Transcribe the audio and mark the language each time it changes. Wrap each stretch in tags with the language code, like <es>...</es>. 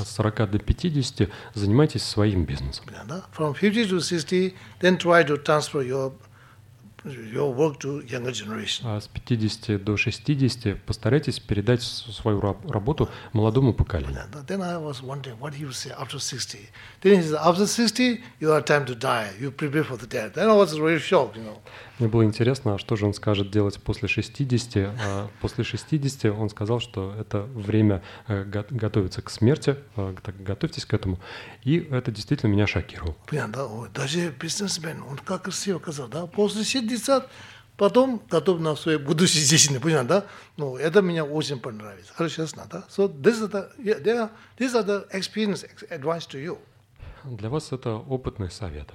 <ru>От 40 до 50 занимайтесь своим бизнесом.</ru> <en>From 50 to 60, then try to transfer your work to younger generation.</en> <ru>А с 50 до 60 постарайтесь передать свою работу молодому поколению.</ru> <en>Then I was wondering what he would say after 60. Then he says, after 60, you have time to die. You prepare for the death. Then I was really shocked, you know.</en> <ru>Мне было интересно, а что же он скажет делать после 60. После 60 он сказал, что это время готовиться к смерти. Так готовьтесь к этому. И это действительно меня шокировало. Понятно, да? Ой, даже бизнесмен, он как красиво сказал, да? После 60 потом готов на свое будущее жизнь. Понятно, да? Ну, это меня очень понравилось. Хорошо, ясно, да?</ru> <en>So these are the experience advice to you.</en> <ru>Для вас это опытный совет.</ru>